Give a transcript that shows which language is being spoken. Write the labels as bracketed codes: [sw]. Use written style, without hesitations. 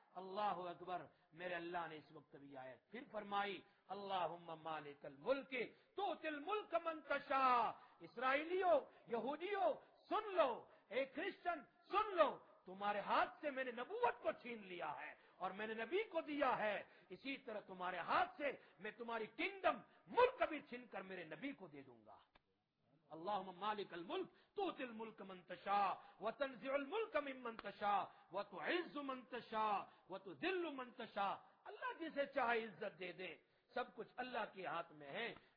[ur] اللہ اکبر، میرے اللہ نے اس وقت بھی آیت پھر فرمائی، [ar] اللہم مالک الملک تؤتی الملک من تشاء. [ur] اسرائیلیو، یہودیو سن لو، اے کرسچن سن لو، تمہارے ہاتھ سے میں نے نبوت کو چھین لیا ہے اور میں نے نبی کو دیا ہے، اسی طرح تمہارے ہاتھ سے میں تمہاری کنگڈم ملک بھی چھین کر میرے نبی کو دے دوں گا. [ar] اللہم مالک الملک تؤتی الملک من تشاء وتنزع الملک ممن تشاء وتعز من تشاء وتذل من تشاء. [ur] اللہ جسے چاہے عزت دے دے، سب کچھ اللہ کے ہاتھ میں ہے.